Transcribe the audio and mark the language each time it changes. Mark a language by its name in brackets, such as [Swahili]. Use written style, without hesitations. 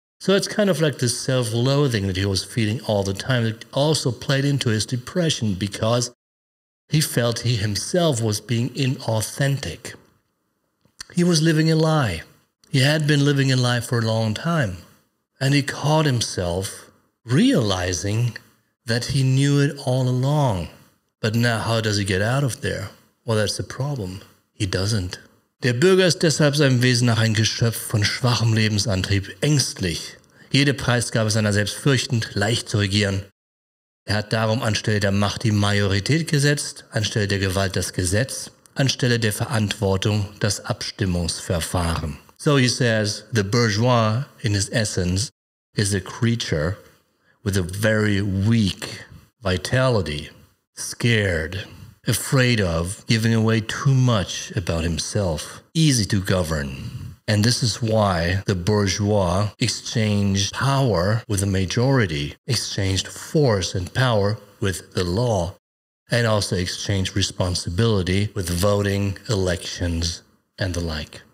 [English] So it's kind of like this self-loathing that he was feeling all the time that also played into his depression because he felt he himself was being inauthentic. He was living a lie. He had been living a lie for a long time. And he caught himself realizing that he knew it all along. But now how does he get out of there? Well, that's the problem. He doesn't. [German] Der Bürger ist deshalb seinem Wesen nach ein Geschöpf von schwachem Lebensantrieb, ängstlich. Jede Preisgabe seiner selbst fürchtend, leicht zu regieren. Er hat darum anstelle der Macht die Majorität gesetzt, anstelle der Gewalt das Gesetz, anstelle der Verantwortung das Abstimmungsverfahren. [English] So he says, the bourgeois, in his essence, is a creature with a very weak vitality, scared, afraid of giving away too much about himself, easy to govern. And this is why the bourgeois exchanged power with the majority, exchanged force and power with the law, and also exchanged responsibility with voting, elections, and the like.